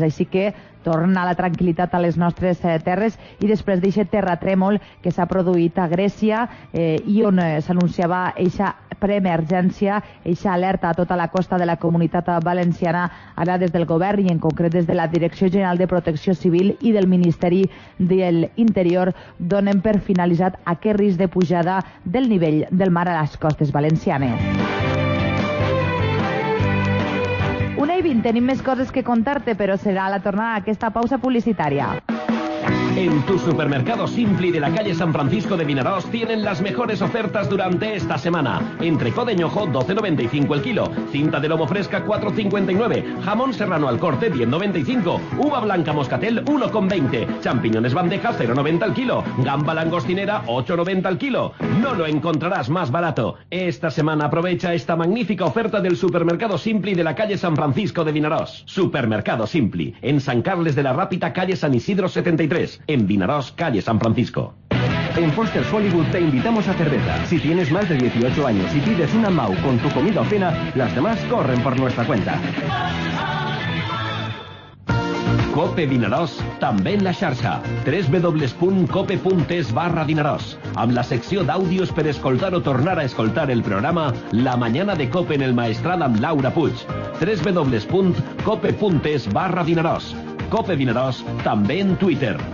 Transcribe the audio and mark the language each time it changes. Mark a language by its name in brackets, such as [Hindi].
[Catalan] Així que torna la tranquil·litat a les nostres terres i després d'eixa terratrèmol que s'ha produït a Grècia i on s'anunciava eixa preemergència, eixa alerta a tota la costa de la Comunitat Valenciana, ara des del govern i en concret des de la Direcció General de Protecció Civil i del Ministeri de l'Interior donen per finalitzat aquest risc de pujada del nivell del mar a les costes valencianes. 1:20, tenim més coses que contar-te, però serà la tornada d'aquesta pausa publicitària. [Spanish] En tu supermercado Simpli de la calle San Francisco de Vinaroz tienen las mejores ofertas durante esta semana. Entrecó de ñojo, 12,95 el kilo. Cinta de lomo fresca, 4,59. Jamón serrano al corte, 10,95. Uva blanca moscatel, 1,20. Champiñones bandeja, 0,90 el kilo. Gamba langostinera, 8,90 el kilo. No lo encontrarás más barato. Esta semana aprovecha esta magnífica oferta del supermercado Simpli de la calle San Francisco de Vinaroz. Supermercado Simpli, en San Carles de la Rápita, calle San Isidro 73. En Vinaroz, calle San Francisco. En Foster's Hollywood te invitamos a cerveza. Si tienes más de 18 años y pides una MAU con tu comida o cena, las demás corren por nuestra cuenta. [Catalan] Cope Vinaroz, també en la xarxa. www.cope.es/Vinaroz. Amb la secció d'àudios per escoltar o tornar a escoltar el programa La Mañana de Cope en el Maestrat amb Laura Puig. www.cope.es/Vinaroz. Cope Vinaroz, també en Twitter.